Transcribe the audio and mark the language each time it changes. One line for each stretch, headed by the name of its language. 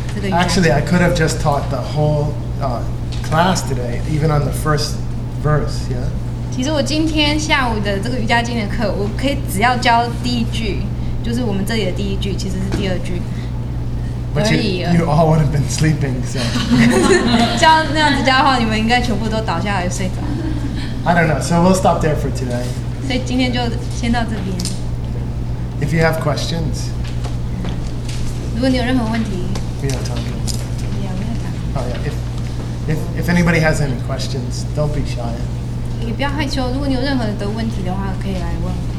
English: Actually, I could have just taught the whole class today, even on the first verse. Yeah.
Chinese: 其实我今天下午的这个瑜伽经的课，我可以只要教第一句，就是我们这里的第一句，其实是第二句。
English: But you all would have been sleeping. So.
Chinese: 教那样子教的话，你们应该全部都倒下来睡着。
English: I don't know, so we'll stop there for today.
Chinese: So, 今天就先到这边。
English: If you have questions.
Chinese: 如果你有任何问题。
English: We have time. Yeah, we have time. Oh, yeah. If anybody has any questions, don't be shy.
Chinese: 也不要害羞，如果你有任何的问题的话，可以来问。